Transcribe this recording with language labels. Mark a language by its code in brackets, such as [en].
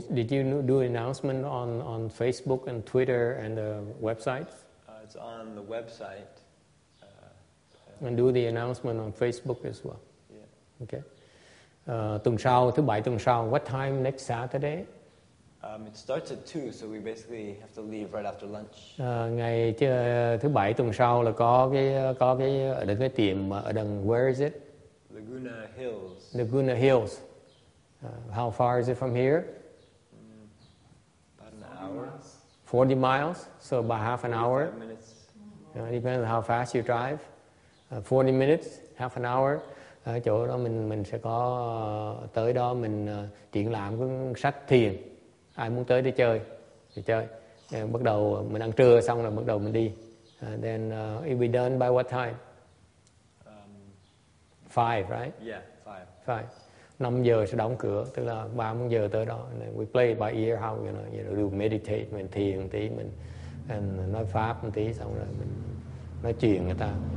[en] Did you do an announcement on Facebook and Twitter and the website? It's on the website. And do the announcement on Facebook as well. Yeah. Okay. [vi] Tuần sau, thứ bảy tuần sau, [en] what time next Saturday? It starts at 2, so we basically have to leave right after lunch. [vi] Ngày thứ bảy tuần sau là có cái ở đằng cái tiệm ở đằng, [en] where is it? Laguna Hills. Laguna Hills. How far is it from here? About an hour. 40 miles, so about half an hour. 45 minutes. Depends on how fast you drive. 40 minutes, half an hour. [vi] Ở chỗ đó mình sẽ có tới đó mình triển lãm cái sách thiền. Ai muốn tới để chơi thì chơi. Bắt đầu mình ăn trưa xong rồi bắt đầu mình đi. [en] Then it will be done by what time? 5, right? Yeah, 5. [vi] 5 giờ sẽ đóng cửa, tức là 30 giờ tới đó. [en] And then we play by ear, how you know, do meditate, [vi] mình thiền một tí, mình and nói pháp một tí xong rồi mình nói chuyện người ta.